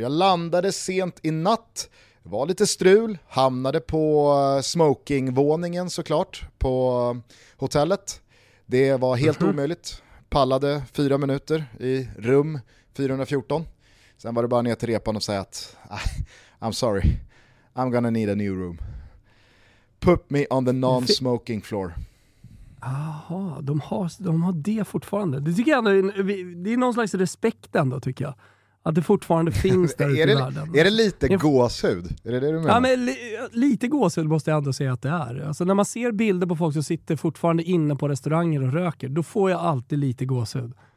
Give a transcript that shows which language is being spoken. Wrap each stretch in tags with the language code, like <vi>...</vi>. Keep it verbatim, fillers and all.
<sv>Jag landade sent i natt. Det var lite strul, hamnade på smokingvåningen såklart på hotellet. Det var helt mm-hmm. omöjligt. Pallade fyra minuter i rum fyrahundrafjorton. Sen var det bara ner till repan och säga att</sv> <en>I'm sorry, I'm gonna need a new room. Put me on the non-smoking floor.</en> <sv>Aha, de har, de har det fortfarande. Det tycker jag ändå, det är någon slags respekt ändå tycker jag. Att det fortfarande finns där ute i världen. Är det lite gåshud? Är det det du menar? Ja, men li, lite gåshud måste jag ändå säga att det är. Alltså, när man ser bilder på folk som sitter fortfarande inne på restauranger och röker, då får jag alltid lite gåshud.</sv>